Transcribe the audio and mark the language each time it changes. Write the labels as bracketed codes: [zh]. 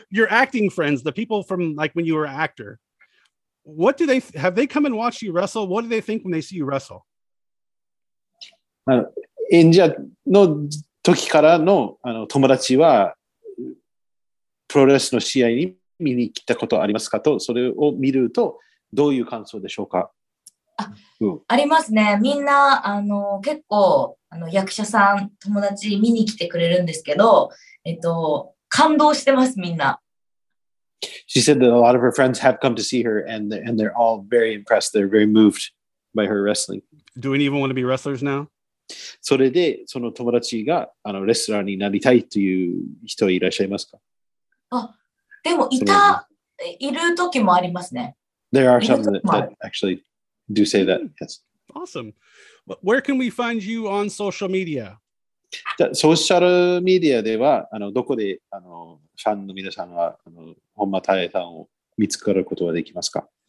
[en] your acting friends, the people from like when you were an actor, what do they have? They come and watch you wrestle. What do they think when they see you wrestle? [ja] 演者の時から の, あの友達はプロレスの試合に見に来たことありますかとそれを見るとどういう感想でしょうかありますね。みんな、結構、役者さん、友達見に来てくれるんですけど、感動してます、みんな。 [en] She said that a lot of her friends have come to see her and they're all very impressed. They're very moved by her wrestling. Do any of them want to be wrestlers now? [ja] それで、その友達が、レスラーになりたいという人いらっしゃいますか？あ、でも、いる時もありますね。 [en] There are some that actually do say that, yes. Awesome. Where can we find you on social media? [ja] ソーシャルメディアでは、どこで、ファンの皆さんは、本間太さんを見つかることはできますか？